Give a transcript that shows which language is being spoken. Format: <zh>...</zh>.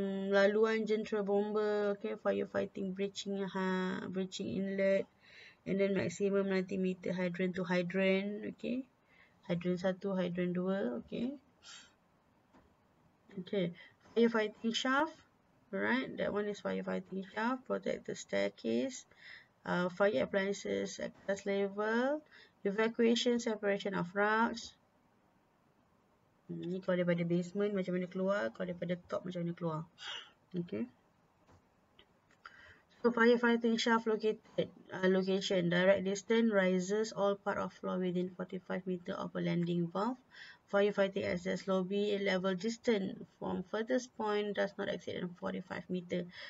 <ms>Laluan jentera bomba,</ms> <en>okay, firefighting breaching, breaching inlet, and then maximum 90 meter hydrant to hydrant, okay, hydrant 1, hydrant 2, okay. Okay, firefighting shaft, right? That one is firefighting shaft, protect the staircase, fire appliances, access level, evacuation, separation of routes.</en> <ms>Ini kalau daripada basement macam mana keluar, kalau daripada top macam mana keluar.</ms> <en>Okay. So, firefighting shaft located, location, direct distance, rises all part of floor within 45 meter of a landing valve. Firefighting access lobby, a level distance from furthest point does not exceed 45 meter.</en>